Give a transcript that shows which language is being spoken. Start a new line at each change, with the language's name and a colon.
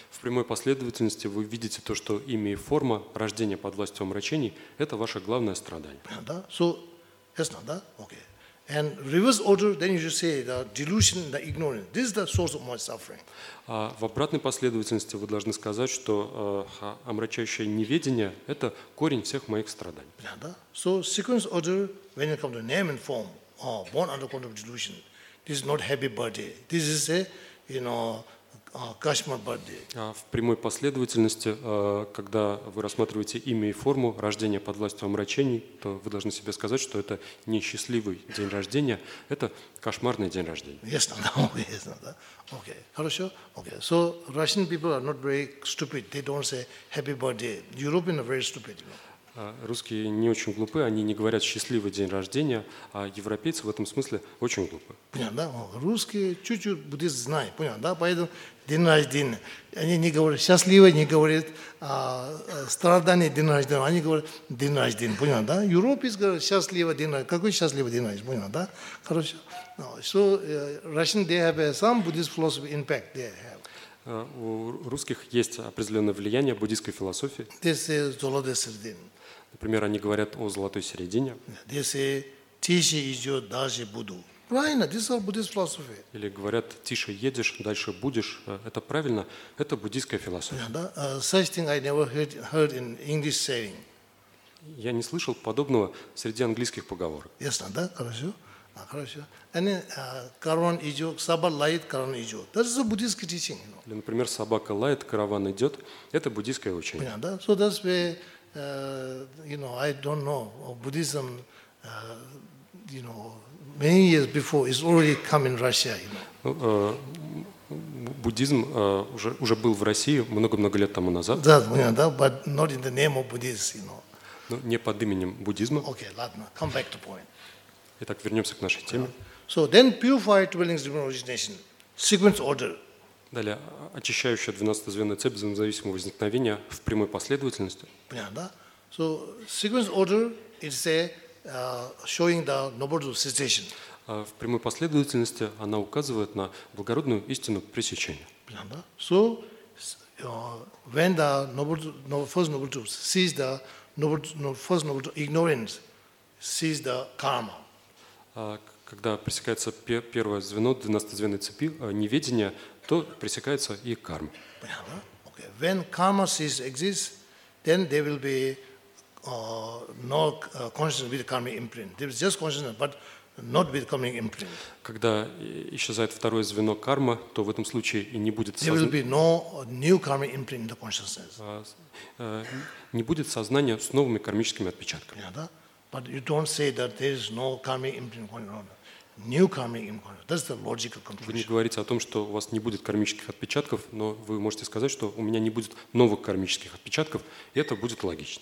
Russian: В прямой последовательности вы видите то, что имя и форма, рождение под властью омрачений – это ваше главное страдание. Понятно?
English: So, yes, no, да? Okay. And reverse order, then you just say the delusion, the ignorance. This is the source of my suffering.
Russian: В обратной последовательности вы должны сказать, что омрачающее неведение – это корень всех моих страданий. Понятно?
English: So sequence order, when it comes to name and form, born under control of delusion, this is not happy birthday. This is a, кошмар birthday.
Russian: В прямой последовательности, когда вы рассматриваете имя и форму рождения под властью омрачений, то вы должны себе сказать, что это не счастливый день рождения, это кошмарный день рождения.
English: Yes, no, no, yes, no, no. Okay, хорошо. Okay, so Russian people are not very stupid. They don't say happy birthday. Europeans are very stupid.
Russian: Русские не очень глупы, они не говорят «счастливый день рождения», а европейцы в этом смысле очень глупы. Понятно, да? Русские чуть-чуть буддисты знают, понятно, да? Поэтому день рождения, они не говорят «счастливый», не говорят «страдание день рождения», они говорят «день рождения», понятно, да? Европейцы говорят «счастливый день рождения», какой счастливый день рождения, понятно, да? Хорошо. No.
English: So, Russian, they have some Buddhist philosophy impact they have.
Russian: У русских есть определенное влияние буддийской философии.
English: This is the Lord of the Sardin.
Russian: Например, они говорят о золотой середине.
English: This is
Russian: тише идешь, дальше буду. Правильно,
English: this is all Buddhist philosophy.
Russian: Или говорят, тише едешь, дальше будешь. Это правильно, это буддийская философия.
English: Yeah, such thing I never heard in English saying.
Russian: Я не слышал подобного среди английских поговорок. Ясно, да? Хорошо. Хорошо.
English: And then,
Russian: караван идет, собака лает, караван идет.
English: That is a Buddhist teaching. You know?
Russian: Или, например, собака лает, караван идет. Это буддийское учение. Понятно, да?
English: So that's why, you know, I don't know, Buddhism, you know, many years before, it's already come in Russia. You know?
Russian: Буддизм уже был в России много-много лет тому назад. Да, понятно, да?
English: But not in the name of Buddhism, you know.
Russian: Ну, не под именем буддизма.
English: Okay,
Russian: ладно,
English: come back to point.
Russian: Итак, вернемся к нашей теме.
English: So then purified dwellings demon origination, sequence order.
Russian: Далее, очищающая 12 звенная цепь взаимозависимого возникновения в прямой последовательности. Понятно, да?
English: So sequence order is a showing the noble cessation.
Russian: В прямой последовательности она указывает на благородную истину пресечения. Понятно, да?
English: So when the first noble sees the first noble ignorance, sees the karma.
Russian: Когда пресекается первое звено 12-звенной цепи неведения, то пресекается и карма. Понятно? Okay.
English: When karma sees exists, then there will be no consciousness with karma imprint. There is just consciousness, but not with karma imprint.
Russian: Когда исчезает второе звено карма, то в этом случае и не будет сознания.
English: There will be no new karma imprint in the consciousness.
Russian: Не будет сознания с новыми кармическими отпечатками. Понятно?
English: But you don't say that there is no karma imprint going on. New karma imprint. That's the logical conclusion.
Russian: Вы не говорите о том, что у вас не будет кармических отпечатков, но вы можете сказать, что у меня не будет новых кармических отпечатков, и это будет логично.